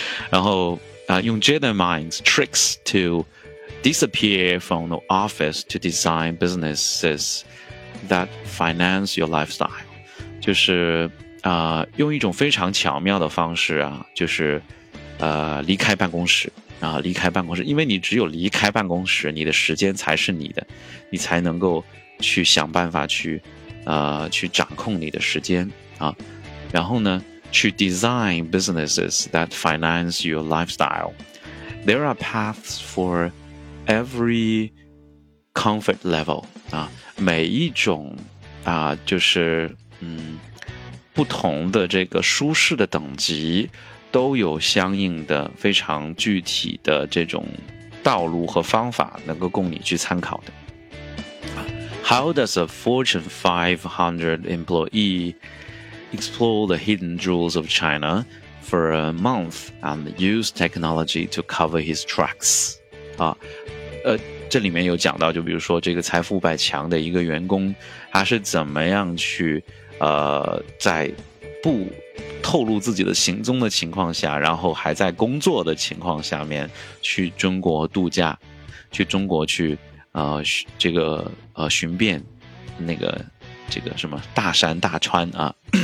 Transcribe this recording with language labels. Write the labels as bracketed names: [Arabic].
[Chinese] 然后用 [English] Jedi Mind's tricks to disappear from the office to design businesses that finance your lifestyle， [Chinese] 就是用一种非常巧妙的方式啊，就是离开办公室啊，离开办公室，因为你只有离开办公室，你的时间才是你的，你才能够去想办法去掌控你的时间啊。然后呢，去 [English] design businesses that finance your lifestyle. There are paths for every comfort level [Chinese] 啊，每一种啊，就是不同的这个舒适的等级都有相应的非常具体的这种道路和方法能够供你去参考的。 [English] How does a Fortune 500 employee explore the hidden jewels of China for a month and use technology to cover his tracks? [Chinese] 这里面有讲到，就比如说这个财富百强的一个员工，他是怎么样去在不透露自己的行踪的情况下，然后还在工作的情况下面去中国度假，去中国去这个寻遍那个这个什么大山大川啊。